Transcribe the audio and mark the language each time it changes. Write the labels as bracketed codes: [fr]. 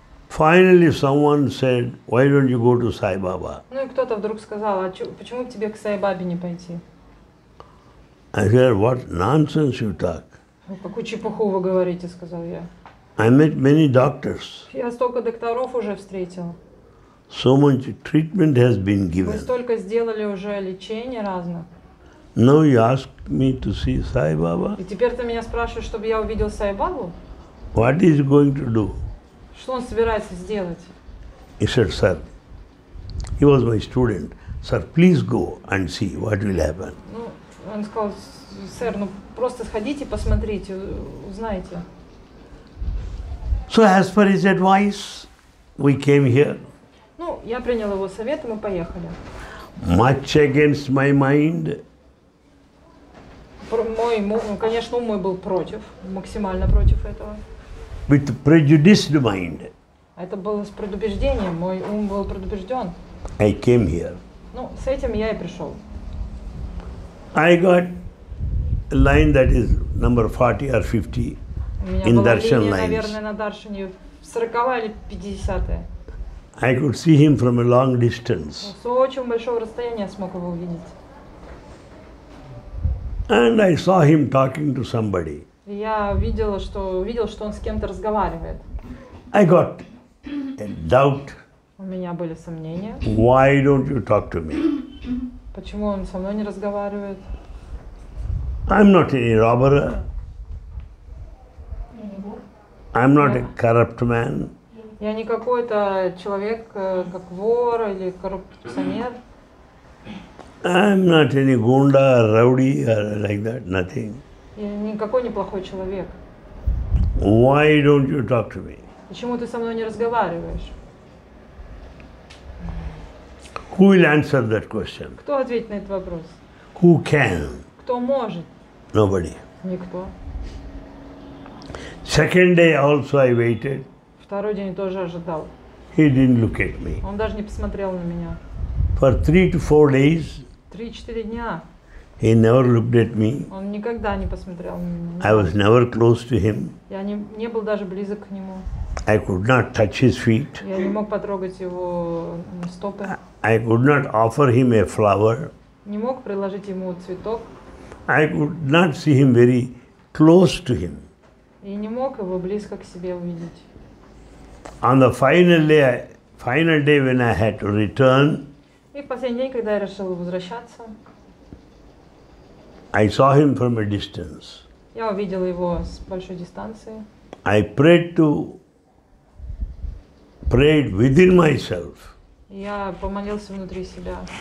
[en] Finally, someone said, "Why don't you go to Sai Baba?" [ru] Ну и кто-то вдруг сказал: "А почему бы тебе к Сай Бабе не пойти?" [en] I said, "What nonsense you talk!" [ru] Какую чепуху вы говорите, сказал я. [en] I met many doctors. [ru] Я столько докторов уже встретил. [en] So much treatment has been given. [ru] Вы столько сделали уже лечения разных. [en] Now you ask me to see Sai Baba? [ru] И теперь ты меня спрашиваешь, чтобы я увидел Сай Бабу? [en] What is he going to do? [ru] Что он собирается сделать? [en] He said, sir, he was my student. Sir, please go and see what will happen. [ru] Ну, он сказал, сэр, ну просто сходите, посмотрите, узнайте. [en] So as per his advice, we came here. [ru] Ну, я принял его совет, и мы поехали. [en] Much against my mind. [ru] Конечно, мой был против, максимально против этого. [en] With prejudiced mind. [ru] Это было с предубеждением, мой ум был предубежден. [en] I came here. [ru] Ну, с этим я и пришел. [en] I got a line that is number 40 or 50 in darshan lines. [ru] У меня было линия, наверное, на даршане 40-е или 50-е. [en] I could see him from a long distance. [ru] С очень большого расстояния смог его увидеть. [en] And I saw him talking to somebody. [ru] Я видел, что он с кем-то разговаривает. [en] I got a doubt. [ru] У меня были сомнения. [en] Why don't you talk to me? [ru] Почему он со мной не разговаривает? [en] I'm not any robber. I'm not a corrupt man. [ru] Я не какой-то человек, как вор или коррупционер. [en] I'm not any gunda or rowdy or like that, nothing. [ru] Я никакой неплохой человек. [en] Why don't you talk to me? [ru] Почему ты со мной не разговариваешь? [en] Who will answer that question? [ru] Кто ответит на этот вопрос? [en] Who can? [ru] Кто может? [en] Nobody. [ru] Никто. [en] Second day also I waited. [ru] Второй день тоже ожидал. [en] He didn't look at me. [ru] Он даже не посмотрел на меня. [en] For 3-4 days. [ru] 3-4 дня. [en] He never looked at me. [ru] Он никогда не посмотрел на меня. [en] I was never close to him. [ru] Я не был даже близок к нему. [en] I could not touch his feet. [ru] Я не мог потрогать его стопы. [en] I could not offer him a flower. [ru] Не мог предложить ему цветок. [en] I could not see him very close to him. [ru] И не мог его близко к себе увидеть. [en] On the final day when I had to return. [ru] И в последний день, когда я решил возвращаться. [en] I saw him from a distance. [ru] Я увидел его с большой дистанции. [en] I prayed within myself. [ru] Я помолился внутри себя.